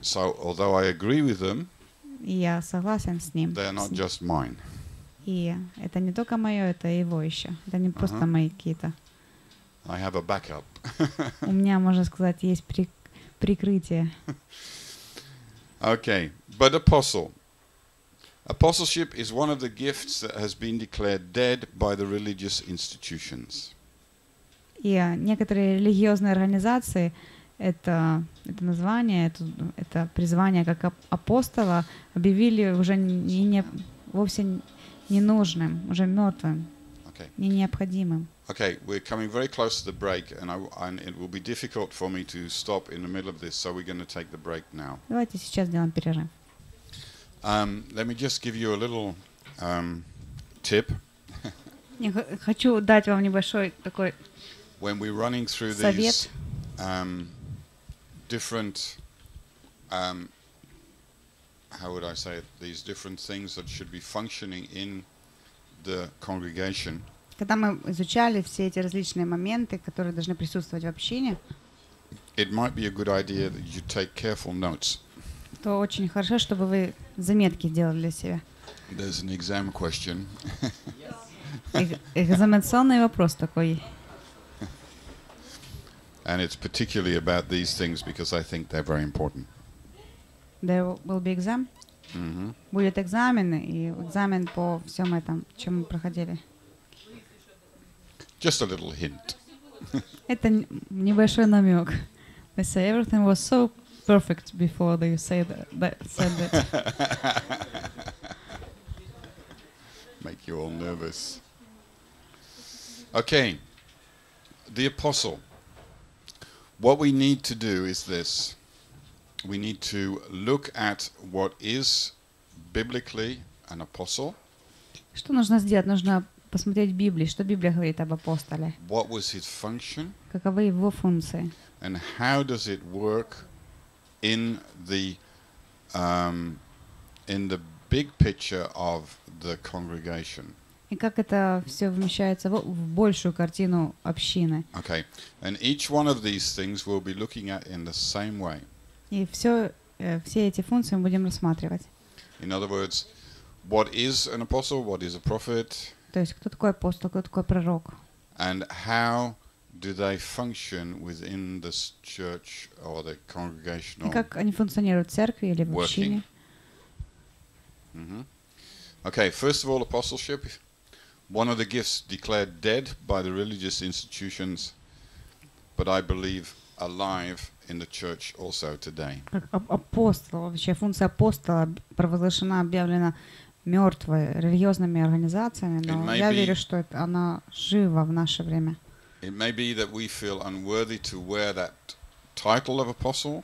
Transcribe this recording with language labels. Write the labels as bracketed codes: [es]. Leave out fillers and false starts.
[en] So, although I agree with them, [ru] я согласен с ним. [en] They're not just mine. [ru] И это не только мое, это его еще. Это не просто мои какие-то. [en] I have a backup. [ru] У меня, можно сказать, есть прикрытие. [en] Okay, but apostle. Apostleship is one of the gifts that has been declared dead by the religious institutions. [ru] И некоторые религиозные организации это название, это призвание как апостола объявили уже вовсе ненужным, уже мертвым, не необходимым. [en] Okay, we're coming very close to the break, and it will be difficult for me to stop in the middle of this, so we're going to take the break now. [ru] Давайте сейчас сделаем перерыв. [en] Let me just give you a little tip. [ru] Я хочу дать вам небольшой такой совет. [en] When we're running through these different, how would I say it? These different things that should be functioning in the congregation. [ru] Когда мы изучали все эти различные моменты, которые должны присутствовать в общине, [en] it might be a good idea that you take careful notes. [ru] То очень хорошо, чтобы вы заметки делали для себя. [en] There's an exam question. [ru] Экзаменационный вопрос такой. [en] And it's particularly about these things because I think they're very important. There will be exam. [ru] Будет экзамен, и экзамен по всем этом, чем мы проходили. [en] Just a little hint. [ru] Это небольшой намек. [en] They say everything was so perfect before they said that. Make you all nervous. Okay. The apostle. What we need to do is this. We need to look at what is biblically an apostle. [ru] Что нужно сделать? Нужно посмотреть в Библии, что Библия говорит об апостоле. [en] What was his function? [ru] Каковы его функции? [en] And how does it work in the big picture of the congregation? [ru] И как это все вмещается в большую картину общины? [en] Okay, and each one of these things we'll be looking at in the same way. [ru] И все эти функции мы будем рассматривать. [en] In other words, what is an apostle? What is a prophet? [ru] То есть, кто такой апостол, кто такой пророк? [en] And how do they function within the church or the congregational working? [ru] Как они функционируют в церкви или в общине? [en] Okay, first of all, apostleship, one of the gifts declared dead by the religious institutions, but I believe alive in the church also today. [ru] Как апостол, вообще функция апостола провозглашена, объявлена мёртвой религиозными организациями, но я верю, что это она жива в наше время. [en] It may be that we feel unworthy to wear that title of apostle.